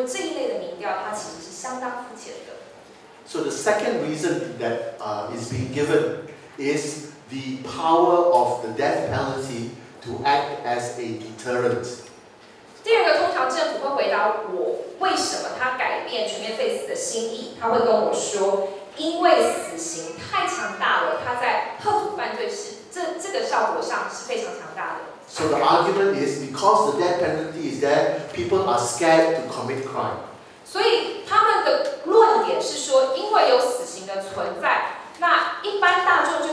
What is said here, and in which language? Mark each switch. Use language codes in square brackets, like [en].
[en] So we should encourage our So the second reason that is being given is the power of the death penalty to act as a deterrent. [zh] 第二个，通常政府会回答我为什么他改变全面废死的心意，他会跟我说，因为死刑太强大了，它在遏阻犯罪是这个效果上是非常强大的。 [en] So the argument is because the death penalty is there, people are scared to commit crime. [zh] 所以他们的论点是说，因为有死刑的存在，那一般大